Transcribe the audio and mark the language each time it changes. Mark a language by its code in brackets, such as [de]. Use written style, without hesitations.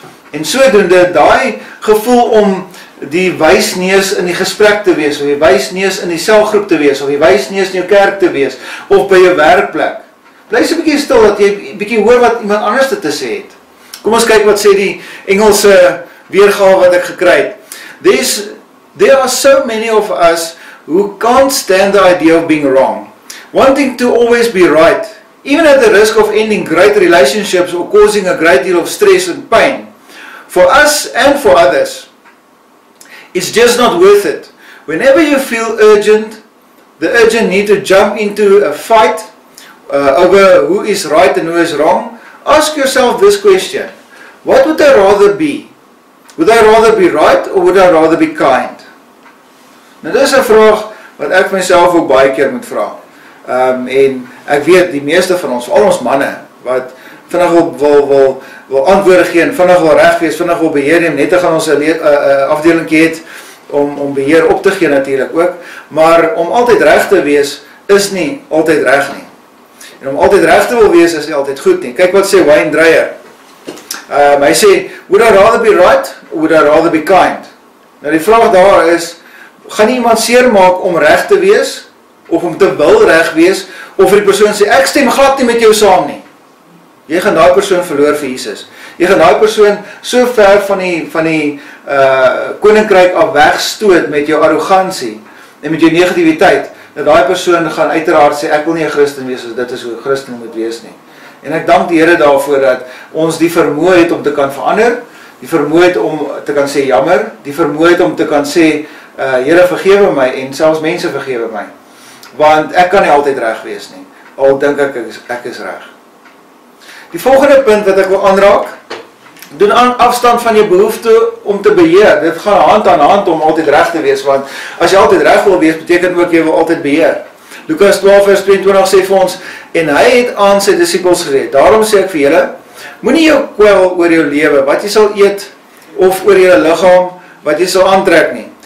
[af] En sodoende daai gevoel om die wysneus in die gesprek te wees, of die wysneus in die selgroep te wees, of die wysneus in jou kerk te wees, of by jou werkplek. Bly so 'n bietjie stil dat jy bietjie hoor wat iemand anders te sê het. Kom ons kyk wat sê die Engelse weergawe wat ek gekry het. [en] There are so many of us who can't stand the idea of being wrong, wanting to always be right, even at the risk of ending great relationships or causing a great deal of stress and pain. For us and for others, it's just not worth it. Whenever you feel urgent, the urgent need to jump into a fight over who is right and who is wrong, ask yourself this question. What would I rather be? Would I rather be right or would I rather be kind? [af] Nou dis 'n vraag wat ek myself ook baie keer moet vra. En ek weet die meeste van ons, al ons manne, wat vinnig wil antwoorde gee en vinnig wil reg wees, vinnig wil beheer neem, net te gaan ons 'n afdeling het om beheer op te gee natuurlik ook. Maar om altyd reg te wees is nie altyd reg nie. En om altyd reg te wil wees is nie altyd goed nie. Kyk wat sê Wayne Dreyer. Hy sê, [en] would I rather be right or would I rather be kind? [af] Nou die vraag daar is, gaan nie iemand seer maak om reg te wees of om te wil reg wees, of die persoon sê, ek stem glad nie met jou saam nie. Jy gaan daai persoon verloor vir Jesus. Jy gaan daai persoon so ver van die koninkryk af wegstoot met jou arrogantie en met jou negativiteit, dat die persoon gaan uiteraard sê, ek wil nie 'n Christen wees, dit is hoe 'n Christen moet wees nie. En ek dank die Here daarvoor dat ons die vermoë het om te kan verander, die vermoë het om te kan sê jammer, die vermoë het om te kan sê, Here vergewe my en selfs mense vergewe my. Want ek kan nie altyd reg wees nie, al dink ek ek is reg. Die volgende punt wat ek wil aanraak, doen aan afstand van jou behoefte om te beheer. Dit gaan hand aan hand om altyd reg te wees, want as jy altyd reg wil wees, beteken ook jy wil altyd beheer. Lukas 12 vers 22 sê vir ons, en hy het aan sy disippels gesê, daarom sê ek vir julle, moenie jou kwel oor jou lewe, wat jy sal eet, of oor jou liggaam, wat jy sal aantrek nie.